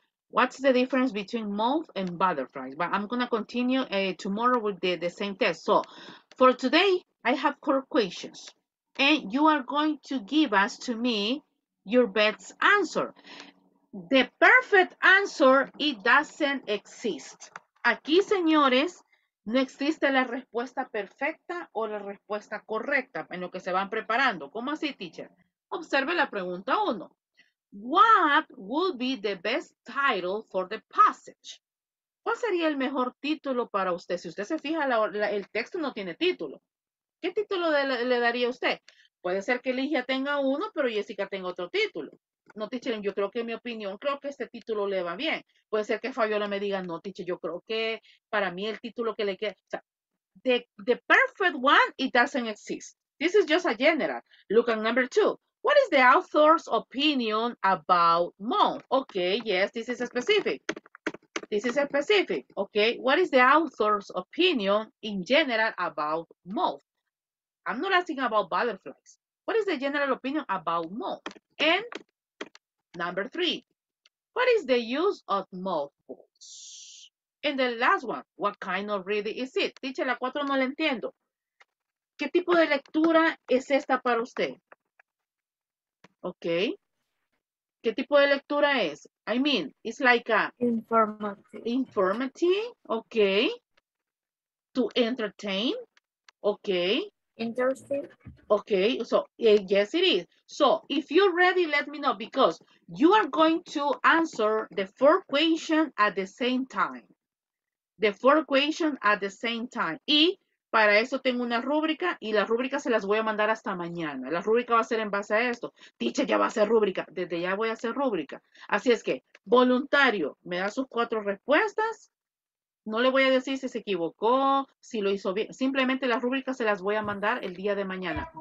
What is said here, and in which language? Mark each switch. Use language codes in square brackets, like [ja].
[en] What's the difference between moth and butterflies? But I'm going to continue tomorrow with the same test. So for today, I have core questions. And you are going to give us to me your best answer. The perfect answer, it doesn't exist. [es] Aquí, señores, no existe la respuesta perfecta o la respuesta correcta en lo que se van preparando. ¿Cómo así, teacher? Observe la pregunta 1. What would be the best title for the passage? ¿Cuál sería el mejor título para usted? Si usted se fija, el texto no tiene título. ¿Qué título le daría usted? Puede ser que Ligia tenga uno, pero Jessica tenga otro título. No, teacher, yo creo que en mi opinión, creo que este título le va bien. Puede ser que Fabiola me diga, no, teacher, yo creo que para mí el título que le queda. O sea, [en] the perfect one, it doesn't exist. This is just a general. Look at number 2. What is the author's opinion about moth? Okay, yes, this is a specific. This is a specific, okay? What is the author's opinion in general about moth? I'm not asking about butterflies. What is the general opinion about moth? And number 3, what is the use of moth balls? And the last one, what kind of reading is it? [es] Teacher, la 4 no la entiendo. ¿Qué tipo de lectura es esta para usted? [en] Okay. [es] ¿Qué tipo de lectura es? [en] I mean, it's like a... Informative. Okay. To entertain. Okay. Interesting. Okay. So, yes, it is. So, if you're ready, let me know, because you are going to answer the 4 questions at the same time. The 4 questions at the same time. [es] Y para eso tengo una rúbrica y la rúbrica se las voy a mandar hasta mañana. La rúbrica va a ser en base a esto. Teacher, ya va a ser rúbrica. Desde ya voy a hacer rúbrica. Así es que, voluntario, me da sus 4 respuestas. No le voy a decir si se equivocó, si lo hizo bien. Simplemente las rúbricas se las voy a mandar el día de mañana.